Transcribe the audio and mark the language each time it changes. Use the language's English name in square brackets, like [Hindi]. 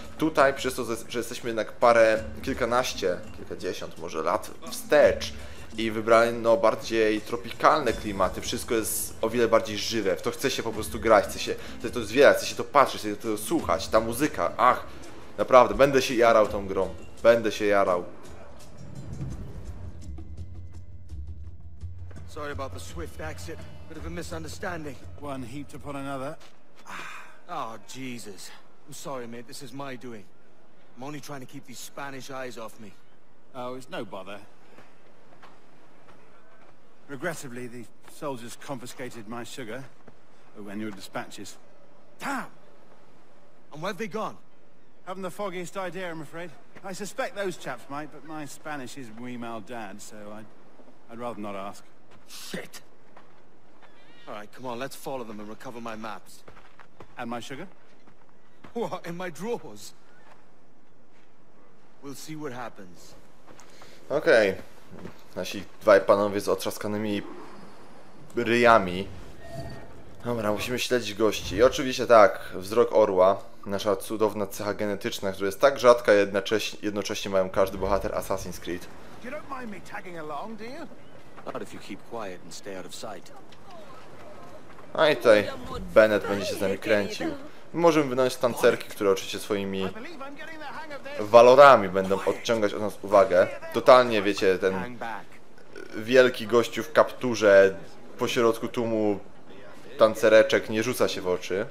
[Polish] Tutaj, przez to, że jesteśmy jednak parę, kilkanaście, kilkadziesiąt może lat wstecz i wybrano bardziej tropikalne klimaty, wszystko jest o wiele bardziej żywe, w to chce się po prostu grać, chce to zwiedzać, chce się to patrzeć, chce to słuchać, ta muzyka, ach, naprawdę, będę się jarał tą grą, będę się jarał. [English] Sorry about the swift exit. Bit of a misunderstanding. One heaped upon another. Oh, Jesus. I'm sorry, mate. This is my doing. I'm only trying to keep these Spanish eyes off me. Oh, it's no bother. Regrettably, the soldiers confiscated my sugar. Oh, and your dispatches. Damn! And where have they gone? Haven't the foggiest idea, I'm afraid. I suspect those chaps might, but my Spanish is wee mal dad, so I'd rather not ask. Shit! right, come on, let's follow them and recover my maps. And my sugar? What, in my drawers? We'll see what happens. Okej. Okay. [Polish] Nasi dwaj panowie z otrzaskanymi ryjami. Dobra, musimy śledzić gości. I oczywiście tak, wzrok orła. Nasza cudowna cecha genetyczna, która jest tak rzadka, jednocześnie mają każdy bohater Assassin's Creed. [English] You don't mind me tagging along, do you? Not if you keep quiet and stay out of sight. [Polish] A i tutaj Bennett będzie się z nami kręcił. Możemy wynąć tancerki, które oczywiście swoimi walorami będą odciągać od nas uwagę. Totalnie, wiecie, ten wielki gościu w kapturze pośrodku tłumu tancereczek nie rzuca się w oczy.